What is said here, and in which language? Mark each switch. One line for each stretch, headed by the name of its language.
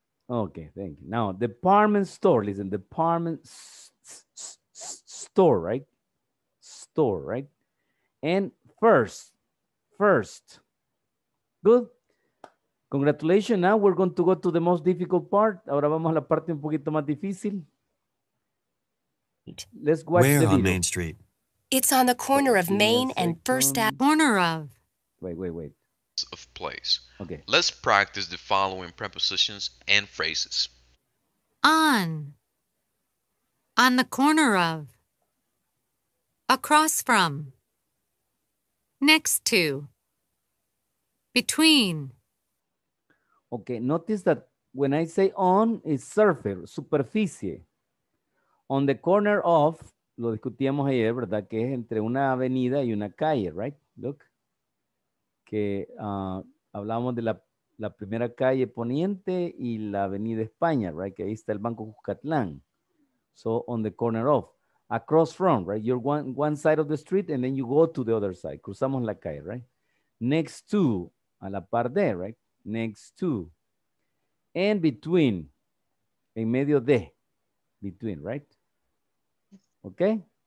English: Okay, thank you. Now, department store. Listen, department store, right? Store, right? And first. Good. Congratulations. Now we're going to go to the most difficult part.
Spanish: Ahora vamos a la parte un poquito más difícil.
English: Let's watch where the video. Where on Main Street? It's on the corner of Main and First Avenue. Corner of. Wait. Of place. Okay. Let's practice the following prepositions and phrases. On the corner of, across from, next to, between. Okay, notice that when I say on, it's surface, superficie. On the corner of,
Spanish: lo discutíamos ayer, ¿verdad? Que es entre una avenida y una calle, right? Look. Que hablábamos de la primera calle Poniente y la Avenida España, right? Que ahí está el Banco Cuscatlán.
English: So, on the corner of. Across from, right? You're one side of the street and then you go to the other side.
Spanish: Cruzamos la calle,
English: right? Next to,
Spanish: a la par de,
English: right? Next to. And between.
Spanish: En medio de.
English: Between, right? Okay?